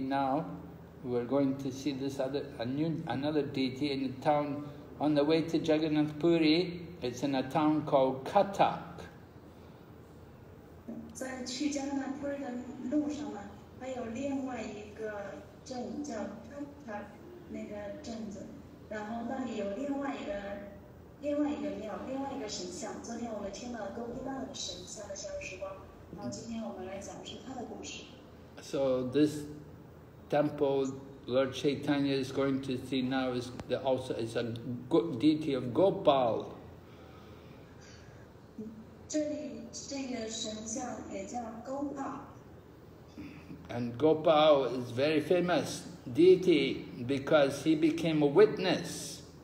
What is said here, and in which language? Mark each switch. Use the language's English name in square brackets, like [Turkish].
[English] Now we're going to see this other another deity in the town. On the way to Jagannath Puri, it's in a town called Katak. [Chinese] 在去加纳坡的路上呢，还有另外一个镇叫帕塔那个镇子，然后那里有另外一个庙，另外一个神像。昨天我们听了勾地纳的神像的消失光，然后今天我们来讲述他的故事。 [English] So this temple Lord Chaitanya is going to see now is the, also is a good deity of Gopal. And Gopal is very famous deity because he became a witness.